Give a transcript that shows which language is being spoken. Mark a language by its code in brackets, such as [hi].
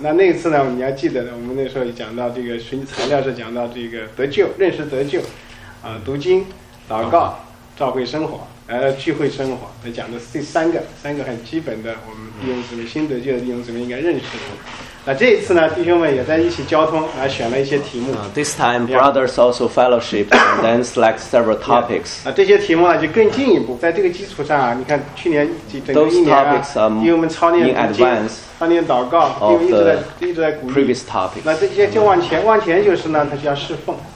[zh] 那次呢，你要记得，我们那时候讲到这个材料是讲到这个得救、认识得救，读经、祷告、教会生活，聚会生活，讲的这三个很基本的，我们弟兄姊妹新得救的弟兄姊妹应该认识的。那这一次呢，弟兄们也在一起交通，来选了一些题目。 [en] This time, brothers also fellowship and then select several topics. [zh] 这些题目呢就更进一步，在这个基础上啊，你看去年整个一年啊，因为我们操练读经、操练祷告，因为一直在鼓励。 [en] Previous topic. [zh] 那这些就往前就是呢，它就要侍奉。